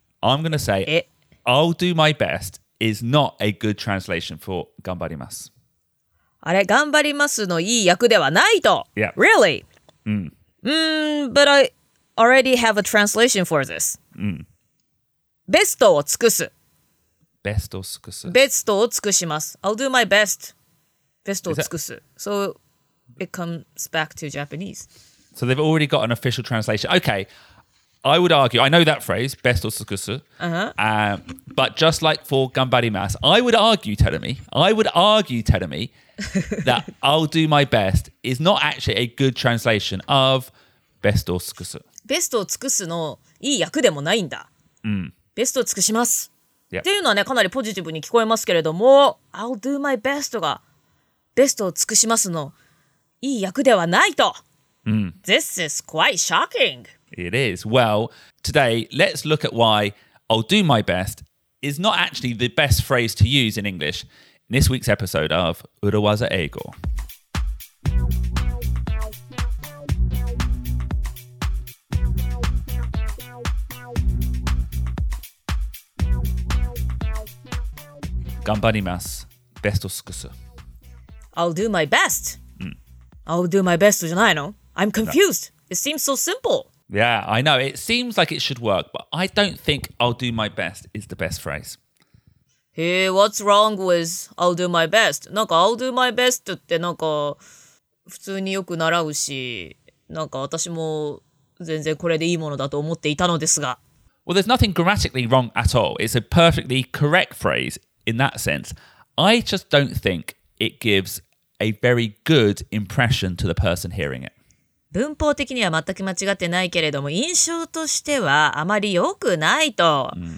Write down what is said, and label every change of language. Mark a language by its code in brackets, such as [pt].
[en] I'm going to say, I'll do my best is not a good translation for 頑張ります。 [ja] あれ、頑張りますのいい訳ではないと。 [en] Yeah. Really? But I already have a translation for this. [ja] ベストを尽くす。 [en] Best [ja] を尽くします。 [en] I'll do my best. [ja] Best を尽くす。 [en] So it comes back to Japanese. So they've already got an official translation. Okay, I would argue, I know that phrase, [ja] besto sukusu, [en] but just like for ganbarimasu, I would argue, Terumi, that I'll do my best is not actually a good translation of besto sukusu. [ja] Besto sukusu no ii yaku demo nai nda. Besto sukushimasu. [en] Yeah. [ja] っていうのはね、かなりポジティブに聞こえますけれども、 [en] I'll do my best [ja] がベストを尽くしますのいい訳ではないと。 [en] This is quite shocking. It is. Well, today, let's look at why I'll do my best is not actually the best phrase to use in English in this week's episode of Urowaza Eigo. [ja] Ganbarimasu. Besto sukusu. [en] I'll do my best. I'll do my best, [ja] じゃないの? [en] I'm confused. No. It seems so simple. Yeah, I know. It seems like it should work, but I don't think I'll do my best is the best phrase. Hey, what's wrong with I'll do my best? [ja] なんか [en] I'll do my best [ja] ってなんか普通によく習うし、なんか私も全然これでいいものだと思っていたのですが。 [en] Well, there's nothing grammatically wrong at all. It's a perfectly correct phrase. In that sense, I just don't think it gives a very good impression to the person hearing it. [ja] 文法的には全く間違ってないけれども、印象としてはあまり良くないと。